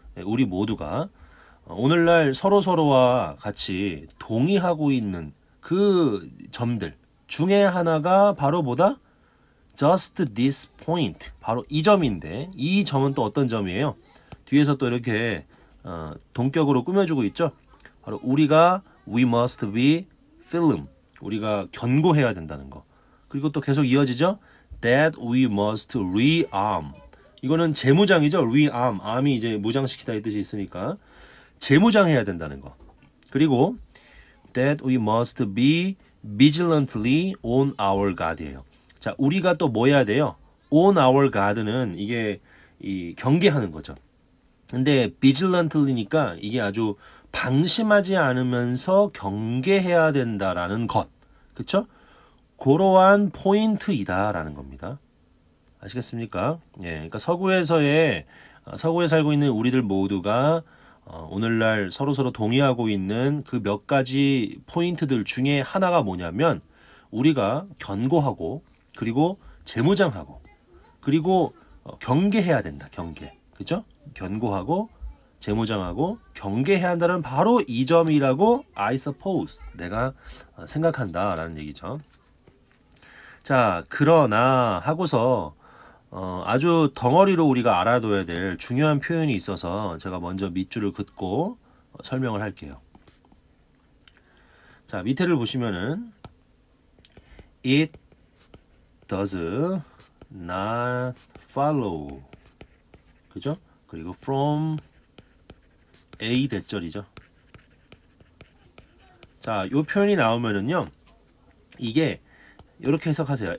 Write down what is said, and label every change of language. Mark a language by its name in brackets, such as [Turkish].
[Korean] 우리 모두가 오늘날 서로서로와 같이 동의하고 있는 그 점들 중에 하나가 바로 뭐다? [English] Just this point. [Korean] 바로 이 점인데, 이 점은 또 어떤 점이에요? 뒤에서 또 이렇게 동격으로 꾸며주고 있죠? 바로 우리가 [English] We must be firm. [Korean] 우리가 견고해야 된다는 거. 그리고 또 계속 이어지죠? [English] That we must rearm. [Korean] 이거는 재무장이죠? [English] Rearm. [Korean] Arm이 이제 무장시키다의 뜻이 있으니까 재무장해야 된다는 거. 그리고 [English] That we must be vigilantly on our guard예요. [Korean] 자, 우리가 또 뭐 해야 돼요? [English] On our guard [Korean] 는 이게 이 경계하는 거죠. 근데 비질런틀리니까 이게 아주 방심하지 않으면서 경계해야 된다라는 것. 그쵸? 그러한 포인트이다라는 겁니다. 아시겠습니까? 예. 그러니까 서구에 살고 있는 우리들 모두가 오늘날 서로서로 동의하고 있는 그몇 가지 포인트들 중에 하나가 뭐냐면, 우리가 견고하고, 그리고 재무장하고, 그리고 경계해야 된다, 경계. 그죠? 견고하고, 재무장하고, 경계해야 한다는 바로 이 점이라고, [English] I suppose, [Korean] 내가 생각한다라는 얘기죠. 자, 그러나 하고서, 아주 덩어리로 우리가 알아둬야 될 중요한 표현이 있어서 제가 먼저 밑줄을 긋고 설명을 할게요. 자, 밑에를 보시면은 [English] It does not follow. [Korean] 그죠? 그리고 from A 대절이죠. 자, 요 표현이 나오면은요, 이게 이렇게 해석하세요.